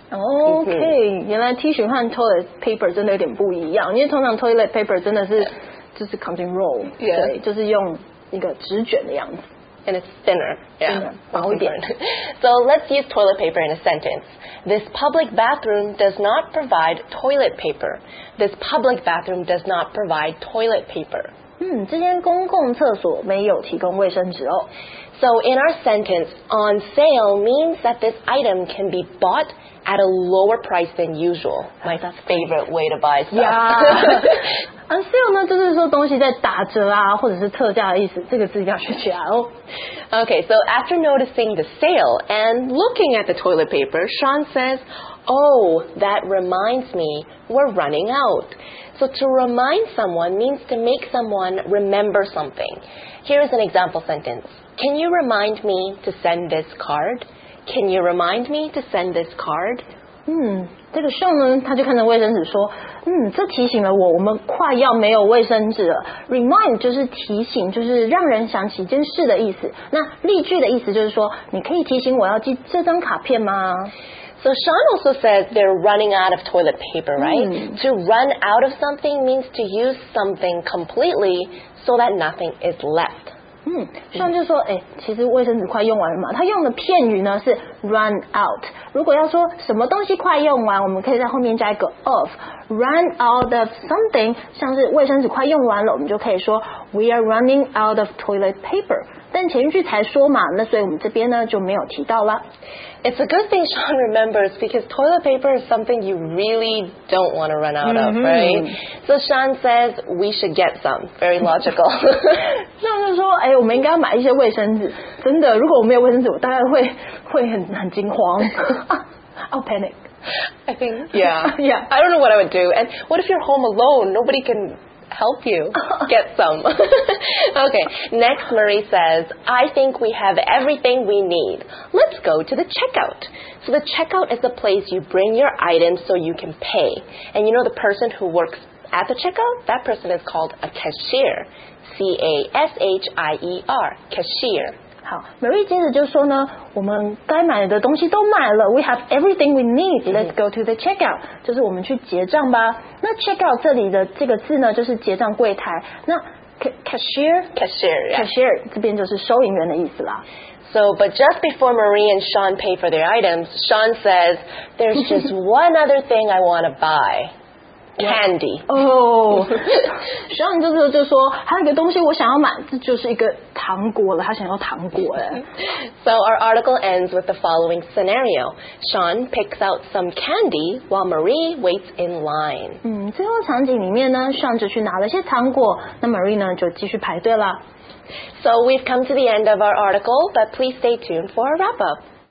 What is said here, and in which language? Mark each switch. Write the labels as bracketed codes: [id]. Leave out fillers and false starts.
[zh] Okay, 原来 tissue 和 toilet paper 真的有点不一样，因为通常 toilet paper 真的是就是 [en] contain roll, [zh] 对，就是用一个纸卷的样子。 [en] And it's thinner. [zh] Yeah, 薄一点。 [en] So let's use toilet paper in a sentence. This public bathroom does not provide toilet paper. This public bathroom does not provide toilet paper. [zh] 这间公共厕所没有提供卫生纸哦。 [en] So in our sentence, on sale means that this item can be bought at a lower price than usual. My favorite way to buy stuff. [zh] Yeah. On sale 呢就是说东西在打折啊或者是特价的意思，这个字要学起来哦。 [en] Okay, so after noticing the sale and looking at the toilet paper, Sean says, oh, that reminds me, we're running out. So to remind someone means to make someone remember something. Here is an example sentence. Can you remind me to send this card? Can you remind me to send this card? [zh] 这个 Sean 呢，他就看着卫生纸说，这提醒了我，我们快要没有卫生纸了。 Remind 就是提醒，就是让人想起一件事的意思。那例句的意思就是说，你可以提醒我要寄这张卡片吗？ [en] So Sean also says they're running out of toilet paper, right? To run out of something means to use something completely so that nothing is left. [zh] Sean 就说，其实卫生纸快用完了嘛。他用的片语呢是 run out。如果要说什么东西快用完，我们可以在后面加一个 of。 Run out of something， 像是卫生纸快用完了，我们就可以说 [en] we are running out of toilet paper。 [zh] 但前一句才说嘛，那所以我们这边呢就没有提到了。 [en] It's a good thing Sean remembers because toilet paper is something you really don't want to run out of, right? So Sean says we should get some. Very logical. [zh] Sean 就说，我们应该要买一些卫生纸。真的，如果我没有卫生纸，我大概会很惊慌。 [en] I'll panic. I think. Yeah. Yeah. I don't know what I would do. And what if you're home alone? Nobody can. help you get some. Okay, next Marie says, I think we have everything we need. Let's go to the checkout. So the checkout is the place you bring your items so you can pay. And you know the person who works at the checkout? That person is called a cashier. C-A-S-H-I-E-R, cashier. [zh] 好 ,Marie 接着就说呢，我们该买的东西都买了 , [en] we have everything we need, let's go to the checkout, [zh] 就是我们去结账吧。那 checkout 这里的这个字呢就是结账柜台。那 cashier, 这边就是收银员的意思啦。 [en] So, but just before Marie and Sean pay for their items, Sean says, there's just one other thing I want to buy. Candy. [zh] Oh, Sean 就说还有个东西我想要买，这就是一个糖果了，他想要糖果了。 [en] So our article ends with the following scenario. Sean picks out some candy while Marie waits in line. [zh] 最后场景里面呢 ,Sean 就去拿了些糖果，那 Marie 呢就继续排队了。 [en] So we've come to the end of our article, but please stay tuned for a wrap up.